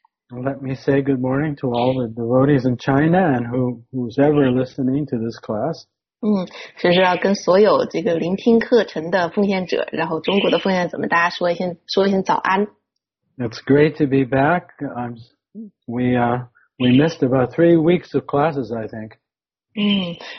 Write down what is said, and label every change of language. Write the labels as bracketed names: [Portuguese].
[English] Let me say good morning to all the devotees in China and who's ever listening to this class. [Chinese] 就是要跟所有这个聆听课程的奉献者，然后中国的奉献者们，大家说一声早安。 [English] It's great to be back. We missed about 3 weeks of classes, I think.